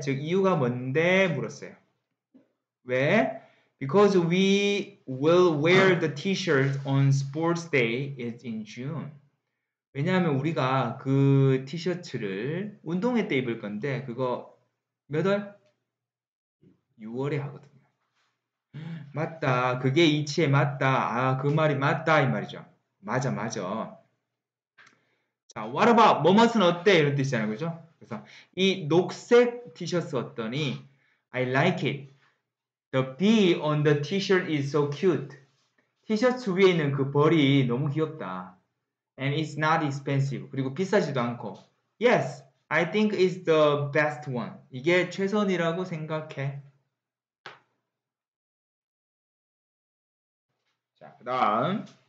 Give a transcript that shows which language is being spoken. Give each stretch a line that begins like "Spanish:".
Korean: 즉 이유가 뭔데 물었어요. 왜?
English: Because we will wear the t-shirt on sports day is in June.
Korean: 왜냐하면 우리가 그 티셔츠를 운동회 때 입을 건데 그거 몇 월? 6월에 하거든요. 맞다. 그게 이치에 맞다. 아, 그 말이 맞다 이 말이죠. 맞아 맞아. 자, what about 뭐뭐는 어때? 이런 뜻이잖아요. 그죠? 그래서 이 녹색 티셔츠 어떠니?
English: I like it. The bee on the t-shirt is so cute.
Korean: 티셔츠 위에 있는 그 벌이 너무 귀엽다.
English: And it's not expensive.
Korean: 그리고 비싸지도 않고.
English: Yes, I think it's the best one.
Korean: 이게 최선이라고 생각해. 자, 그 다음.